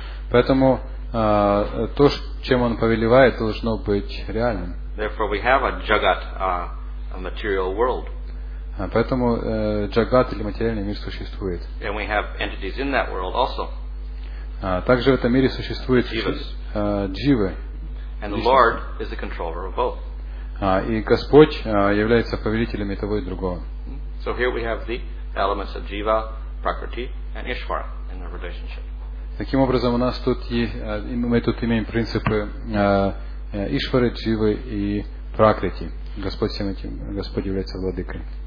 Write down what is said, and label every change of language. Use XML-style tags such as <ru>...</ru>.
<ru>Поэтому то, чем он повелевает, должно быть реальным.</ru> <en>Therefore we have a jagat, a material world.</en> <ru>Поэтому джагат или материальный мир существует.</ru> <en>And we have entities in that world also.</en> <ru>Также в этом мире существует дживы.</ru> <en>And the Lord is the controller of both.</en> <ru>И Господь является повелителем и того, и другого.</ru> <en>So here we have the elements of jiva, prakriti and ishvara in the relationship.</en> <ru>Таким образом, у нас тут мы тут имеем принципы Ишвары, Дживы и Пракрити. Господь является владыкой.</ru>